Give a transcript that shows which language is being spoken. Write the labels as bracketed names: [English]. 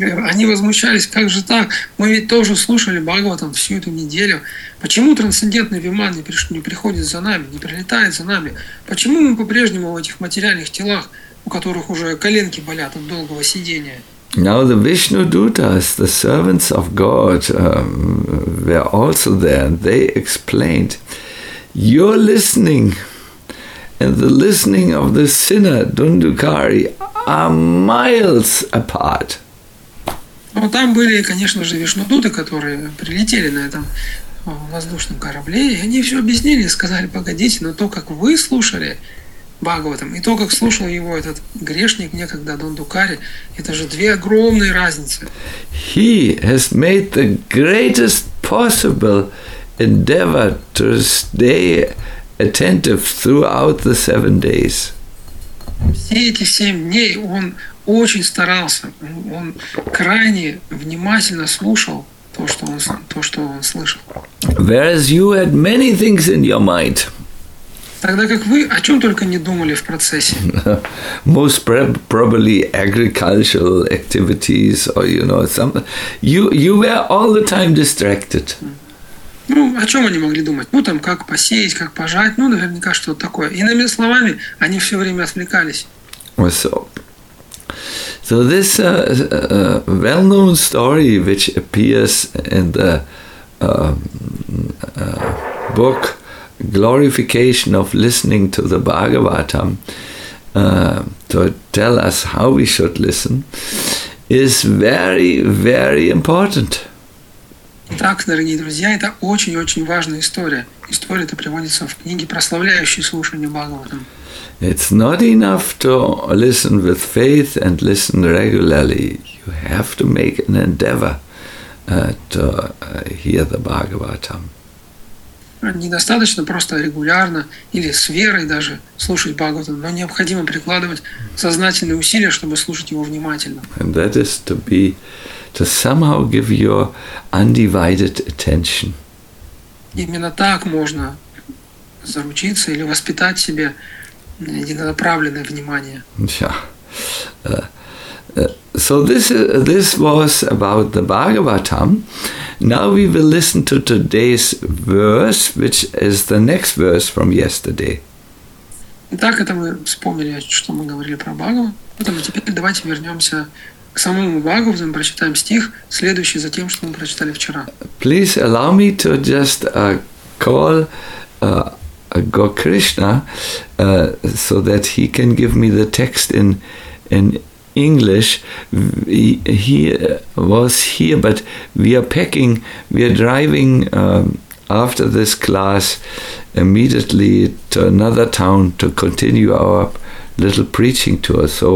[Russian] Они возмущались, как же так? Мы ведь тоже слушали Бхагаватам всю эту неделю. Почему трансцендентный Виман не приходит за нами, не прилетает за нами? Почему мы по-прежнему в этих материальных телах, у которых уже коленки болят от долгого сидения? [English] Now the Vishnu Dutas, the servants of God, were also there, and they explained, your listening and the listening of the sinner Dundukari are miles apart. [Russian] Ну, там были, конечно же, вишнудуты, которые прилетели на этом воздушном корабле, и они все объяснили, сказали, погодите, но то, как вы слушали Бхагаватам, и то, как слушал его этот грешник некогда Дондукари, это же две огромные разницы. [English] He has made the greatest possible endeavor to stay attentive throughout the 7 days. [Russian] Все эти 7 дней он очень старался, он крайне внимательно слушал то, что он слышал. [English] Whereas you had many things in your mind. [Russian] Тогда как вы о чем только не думали в процессе. [English] Most probably agricultural activities or, you know, something. You were all the time distracted. [Russian] Ну, о чем они могли думать? Ну, там, как посеять, как пожать, ну, наверняка, что-то такое. Иными словами, они все время отвлекались. [English] So this well-known story, which appears in the book Glorification of Listening to the Bhagavatam, to tell us how we should listen, is very, very important. [Russian] Так, дорогие друзья, это очень-очень важная история. История эта приводится в книге «Прославляющий слушание Бхагаватам». [English] It's not enough to listen with faith and listen regularly. You have to make an endeavor to hear the Bhagavatam. [Russian] Недостаточно просто регулярно или с верой даже слушать Бхагаватам, но необходимо прикладывать сознательные усилия, чтобы слушать его внимательно. [English] And that is to be... to somehow give your undivided attention. [Russian] Именно так можно заручиться или воспитать себе единонаправленное внимание. [English] Yeah. So this was about the Bhagavatam. Now we will listen to today's verse, which is the next verse from yesterday. [Russian] Итак, это мы вспомнили, что мы говорили про Бхагаватам. Теперь давайте вернемся к самому Бхагавату, прочитаем стих, следующий за тем, что мы прочитали вчера. [English] Please allow me to just call Gokrishna so that he can give me the text in English. He was here, but we are packing, we are driving after this class immediately to another town to continue our little preaching tour.